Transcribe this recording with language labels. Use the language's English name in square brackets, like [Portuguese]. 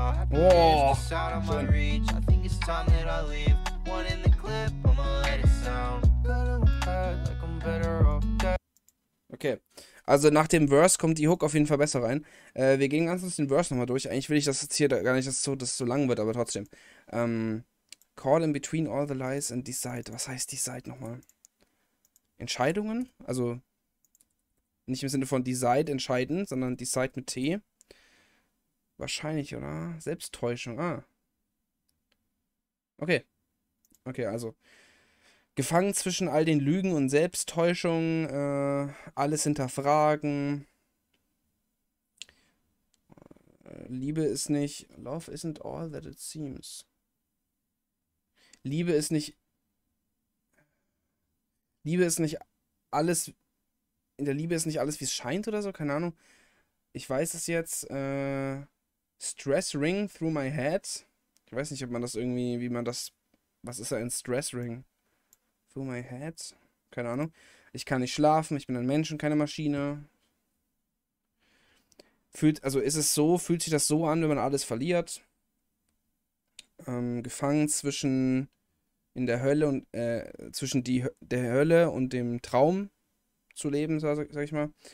[German] Oh, okay, also nach dem Verse kommt die Hook auf jeden Fall besser rein. Wir gehen ganz kurz den Verse nochmal durch. Eigentlich will ich das jetzt hier da gar nicht, dass es so lang wird, aber trotzdem. [English] Call in between all the lies and decide. [German] Was heißt decide nochmal? Entscheidungen? Also nicht im Sinne von decide, entscheiden, sondern decide mit T. Wahrscheinlich, oder? Selbsttäuschung, ah. Okay. Okay, also. Gefangen zwischen all den Lügen und Selbsttäuschung, alles hinterfragen. Liebe ist nicht. [English] Love isn't all that it seems. [German] Liebe ist nicht. Liebe ist nicht alles. In der Liebe ist nicht alles, wie es scheint oder so, keine Ahnung. Ich weiß es jetzt. [English] Stress Ring through my head. [German] Ich weiß nicht, ob man das irgendwie, wie man das. Was ist da ein Stress Ring? [English] Through my head. [German] Keine Ahnung. Ich kann nicht schlafen, ich bin ein Mensch und keine Maschine. Also ist es so, fühlt sich das so an, wenn man alles verliert? Gefangen zwischen in der Hölle und zwischen der Hölle und dem Traum zu leben, sag ich mal.